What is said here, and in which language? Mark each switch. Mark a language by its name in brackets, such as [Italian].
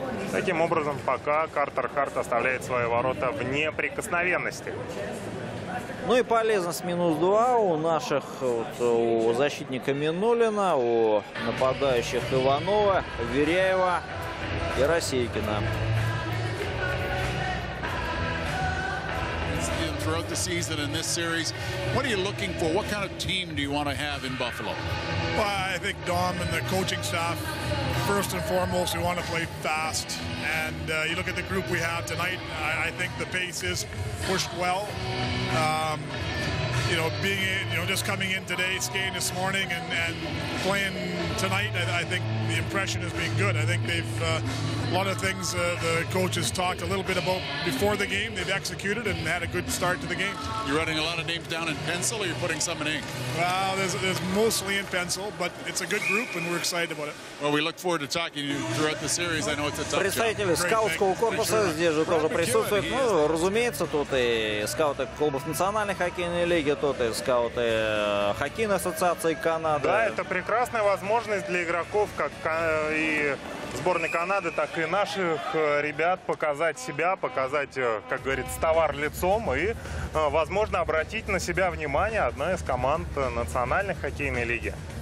[Russian] Таким образом, пока Картер Харт оставляет свои ворота в неприкосновенности. Ну и полезность минус 2 у наших, вот, у защитника Минулина, у нападающих Иванова, Веряева и Росейкина. [English] Throughout the season in this series, what are you looking for? What kind of team do you want to have in Buffalo? Well, I think Dom and the coaching staff, first and foremost, we want to play fast. And you look at the group we have tonight, I think the pace is pushed well. You know, being in, you know, just coming in today, skating this morning, and playing tonight, I think the impression has been good. I think they've a lot of things the coaches talked a little bit about before the game. They've executed and had a good start to the game. You're writing a lot of names down in pencil, or you're putting some in ink? Well, there's mostly in pencil, but it's a good group, and we're excited about it. Well, we look forward to talking to you throughout the series. I know it's a tough job. [Russian] Представители скаутского корпуса здесь же тоже присутствуют. Ну, разумеется, тут и скауты клубов Национальной хоккейной лиги. тут и скауты Хоккейной ассоциации Канады. Да, это прекрасная возможность для игроков, как и сборной Канады, так и наших ребят, показать себя, показать, как говорится, товар лицом и, возможно, обратить на себя внимание одной из команд Национальной хоккейной лиги.